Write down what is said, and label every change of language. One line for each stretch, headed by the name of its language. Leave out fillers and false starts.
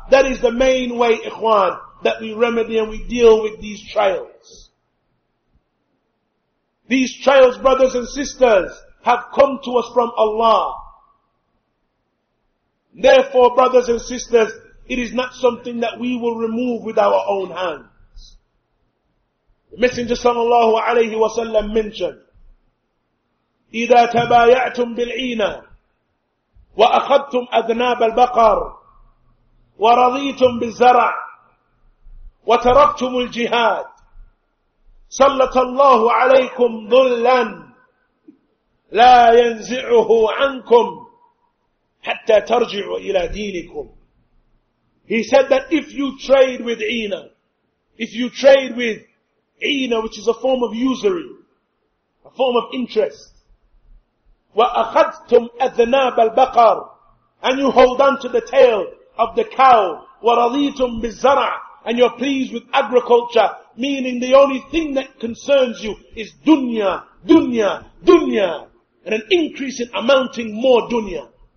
English: That is the main way, ikhwan, that we remedy and we deal with these trials. These trials, brothers and sisters, have come to us from Allah. Therefore, brothers and sisters, it is not something that we will remove with our own hands.
Arabic: The Messenger sallallahu alayhi wa sallam mentioned, إِذَا تَبَايَعْتُمْ بِالْعِينَ وَأَخَذْتُمْ أَذْنَابَ الْبَقَرِ وَرَضِيتُمْ بِالزَّرَعِ وَتَرَكْتُمُ الْجِهَادِ سَلَّطَ اللَّهُ عَلَيْكُمْ ظُلًّا لَا يَنْزِعُهُ عَنْكُمْ حَتَّى تَرْجِعُوا إِلَى دِينِكُمْ.
English: He said that if you trade with عِينَ, if you trade with عِينَ, which is a form of usury, a form of interest,
Arabic: وَأَخَذْتُمْ أَذْنَابَ الْبَقَرِ,
English: and you hold on to the tail of the cow,
Arabic: وَرَضِيتُمْ بِالزَّرَعِ,
English: and you're pleased with agriculture, meaning the only thing that concerns you is dunya, dunya, dunya, and an increase in amounting more dunya.